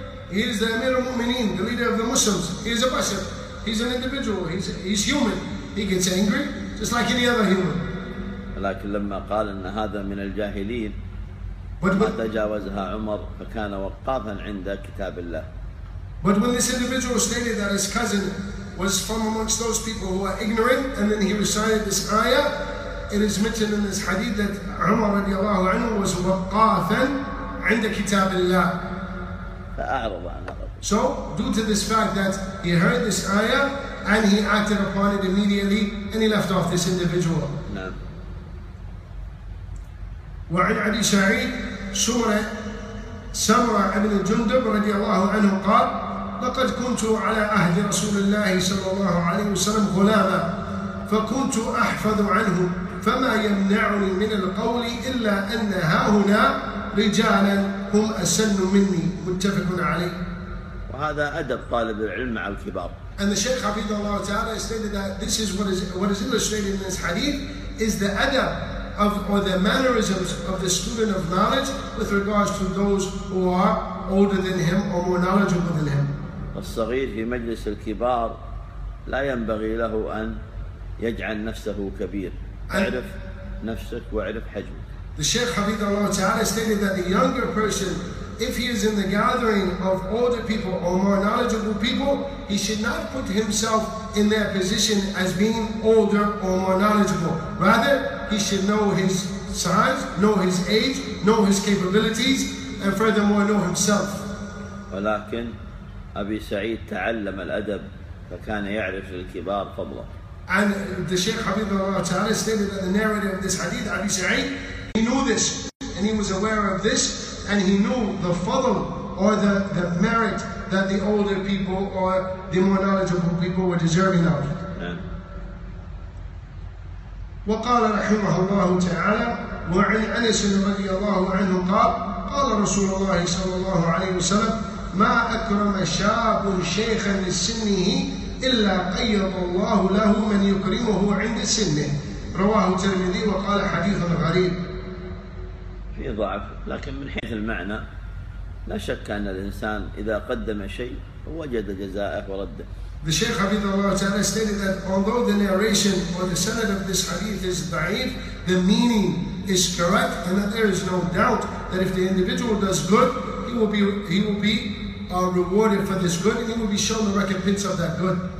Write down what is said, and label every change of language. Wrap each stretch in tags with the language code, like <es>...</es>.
<en>He is the Amir al-Mu'mineen, the leader of the Muslims. He is a bashar. He's an individual. He's human. He gets angry just like any other human.</en> <ar>لكن لما قال إن هذا من الجاهلين ما تجاوزها عمر فكان وقافا عند كتاب الله.</ar> <en>But when this individual stated that his cousin was from amongst those people who are ignorant and then he recited this ayah, it is mentioned in this hadith that Umar radiallahu anhu was waqafan</en> <ar>عند كتاب الله. فأعرض عن هذا.</ar> <en>So due to this fact that he heard this ayah and he acted upon it immediately and he left off this individual.</en> <ar>نعم. وعن أبي سعيد سمرة سمرة بن جندب رضي الله عنه قال لقد كنت على عهد رسول الله صلى الله عليه وسلم غلاما فكنت أحفظ عنه فما يمنعني من القول إلا أن هاهنا رجالا هم أسن مني. متفق عليه. وهذا أدب طالب العلم مع الكبار.</ar> <en>And the Shaykh Hafidhullah Ta'ala stated that this is what is illustrated in this hadith is the adab of or the mannerisms of the student of knowledge with regards to those who are older than him or more knowledgeable than him.</en> <ar>الصغير في مجلس الكبار لا ينبغي له أن يجعل نفسه كبير. اعرف نفسك واعرف حجمك.</ar> <en>The Shaykh Hafidhullah Ta'ala stated that the younger person, if he is in the gathering of older people or more knowledgeable people, he should not put himself in their position as being older or more knowledgeable. Rather, he should know his size, know his age, know his capabilities, and furthermore, know himself.</en> <ar>ولكن أبي سعيد تعلم الأدب فكان يعرف الكبار فضله.</ar> <en>And the Shaykh Hafidhullah Ta'ala stated that the narrator of this hadith, Abi Sa'id, he knew this and he was aware of this and he knew the fadl or the merit that the older people or the more knowledgeable people were deserving of.</en> <ar>وقال رحمه الله تعالى وعن أنس رضي الله عنه قال قال رسول الله صلى الله عليه وسلم ما أكرم شاب شيخا لسنه إلا قيض الله له من يكرمه عند سنه. رواه الترمذي وقال حديث غريب. في ضعف لكن من حيث المعنى لا شك أن الإنسان إذا قدم شيء وجد جزائه ورده.</ar> <en>The Shaykh Hafidhullah Ta'ala stated that although the narration or the sanad of this hadith is da'if, the meaning is correct, and that there is no doubt that if the individual does good, he will be rewarded for this good, and he will be shown the recompense of that good.</en>